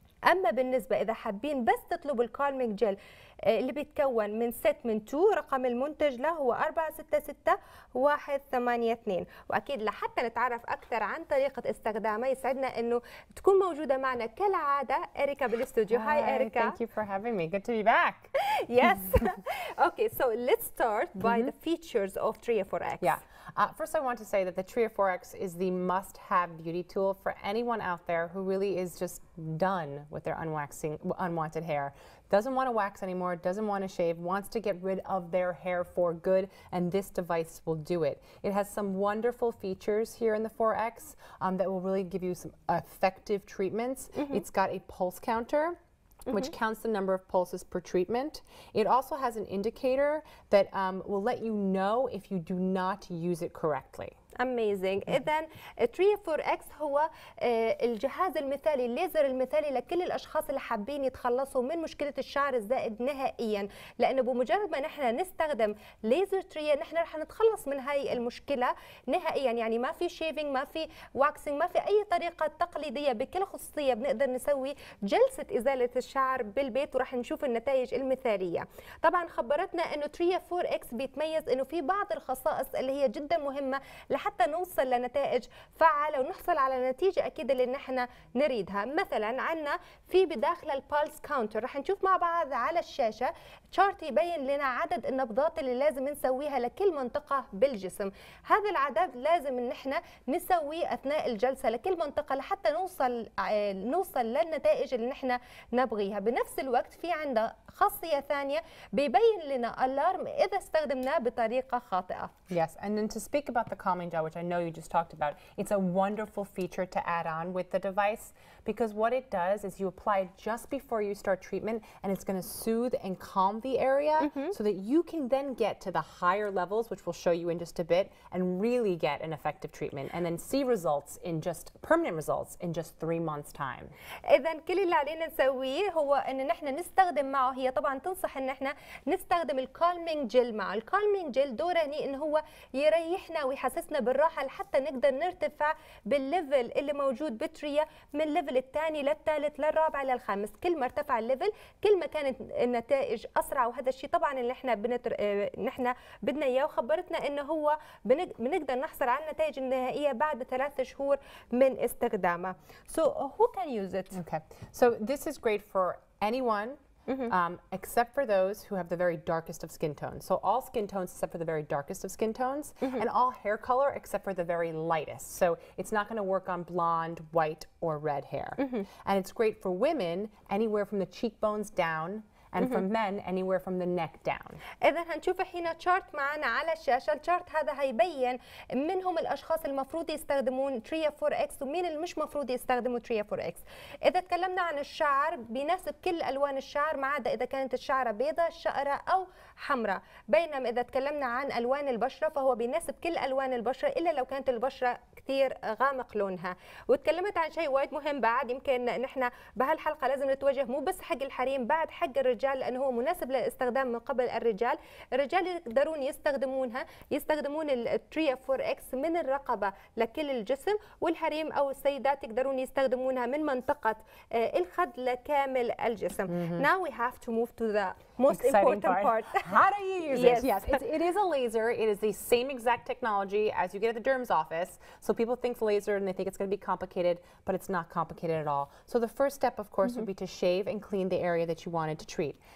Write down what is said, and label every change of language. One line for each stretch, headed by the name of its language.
Arabic: أما بالنسبة إذا حابين بس تطلبوا الكالمينج جيل اللي بيتكون من ست من تو، رقم المنتج له هو 466182. وأكيد لحتى نتعرف أكثر عن طريقة استخدامه يسعدنا أنه تكون موجودة معنا كالعادة إريكا بالاستوديو. هاي إريكا.
English: Thank you for having me. Good to be back. Yes. Okay, so let's start by the features of Tria 4X. Yeah. First, I want to say that the Tria 4X is the must-have beauty tool for anyone out there who really is just done with their unwanted hair, doesn't want to wax anymore, doesn't want to shave, wants to get rid of their hair for good, and this device will do it. It has some wonderful features here in the 4X that will really give you some effective treatments. Mm-hmm. It's got a pulse counter, which counts the number of pulses per treatment. It also has an indicator that will let you know if you do not use it correctly. Amazing.
Arabic: إذن Tria 4X هو الجهاز المثالي، الليزر المثالي لكل الأشخاص اللي حابين يتخلصوا من مشكلة الشعر الزائد نهائيا، لأنه بمجرد ما نحن نستخدم ليزر تريا نحن رح نتخلص من هاي المشكلة نهائيا. يعني ما في شيفينج، ما في واكسينج، ما في أي طريقة تقليدية. بكل خصوصية بنقدر نسوي جلسة إزالة الشعر بالبيت ورح نشوف النتائج المثالية. طبعا خبرتنا أنه Tria 4X بيتميز أنه في بعض الخصائص اللي هي جدا مهمة لحتى نوصل لنتائج فعالة ونحصل على نتيجة أكيد اللي نحن نريدها. مثلا عنا في بداخل البالس كاونتر رح نشوف مع بعض على الشاشة تشارت يبين لنا عدد النبضات اللي لازم نسويها لكل منطقة بالجسم. هذا العدد لازم نحن نسويه أثناء الجلسة لكل منطقة لحتى نوصل للنتائج اللي نحن نبغيها. بنفس الوقت في عندنا خاصية ثانية بيبين لنا ألارم إذا استخدمناه بطريقة خاطئة.
English: Yes, and then to speak about the calming gel, which I know you just talked about, it's a wonderful feature to add on with the device, because what it does is you apply it just before you start treatment, and it's going to soothe and calm the area so that you can then get to the higher levels, which we'll show you in just a bit, and really get an effective treatment, and then see results in just permanent results in just 3 months' time.
Arabic: إذن كل اللي علينا نسويه هو أن نحن نستخدم معه. هي طبعا تنصح أن نحن نستخدم الكالمينج جيل معه. الكالمينج جيل دوره هنا أن هو يريحنا ويحسسنا بالراحة لحتى نقدر نرتفع بالليفل اللي موجود بتريا من الليفل الثاني للثالث للرابع للخامس. كل ما ارتفع الليفل كل ما كانت النتائج أسرع، وهذا الشيء طبعا اللي احنا بدنا إياه. وخبرتنا أنه هو بنقدر نحصل على النتائج النهائية بعد 3 شهور من استخدامه.
English: So who can use it? Okay. So this is great for anyone except for those who have the very darkest of skin tones. So all skin tones except for the very darkest of skin tones, and all hair color except for the very lightest. So it's not going to work on blonde, white, or red hair. And it's great for women anywhere from the cheekbones down, and from men anywhere from the neck down.
Arabic: إذا هنشوف هنا chart معنا على الشاشة. الشارت هذا هيبين من هم الأشخاص المفروض يستخدمون تريا 4X ومين اللي مش مفروض يستخدموا تريا 4X. إذا تكلمنا عن الشعر بيناسب كل ألوان الشعر ما عدا إذا كانت الشعرة بيضة شقرة أو حمراء. بينما إذا تكلمنا عن ألوان البشرة فهو بيناسب كل ألوان البشرة إلا لو كانت البشرة كثير غامق لونها. وتكلمت عن شيء وايد مهم بعد، يمكن نحن بهالحلقة لازم نتوجه مو بس حق الحريم، بعد حق الرجال الرجال لأنه هو مناسب لاستخدام من قبل الرجال. الرجال يقدرون يستخدمونها يستخدمون التريا 4X من الرقبة لكل الجسم، والحريم أو السيدات يقدرون يستخدمونها من منطقة الخد لكامل الجسم.
English: Now we have to move to the most important part. How do you use it? Yes, it is a laser. It is the same exact technology as you get at the derm's office. So people think laser and they think it's going to be complicated, but it's not complicated at all. So the first step, of course, would be to shave and clean the area that you wanted to treat.